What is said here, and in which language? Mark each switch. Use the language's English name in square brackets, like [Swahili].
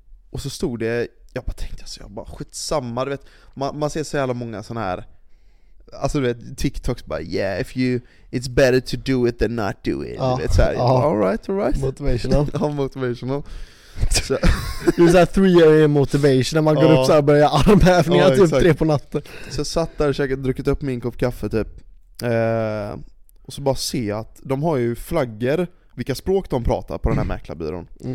[Swedish] Och så stod det jag bara tänkte alltså, jag bara skitsamma du vet. Man ser så jävla många såna här. Alltså du vet, TikToks bara [English] yeah, if you, it's better to do it than not do it. It's like, all right. Motivational. [Swedish] Ja, motivational. Det är såhär 3 AM motivation när man går upp så här och börjar armhävningar typ exakt. 3 på natten. Så jag satt där och käkade, druckit upp min kopp kaffe typ. Och så bara se att de har ju flaggor, vilka språk de pratar på den här mäklarbyrån.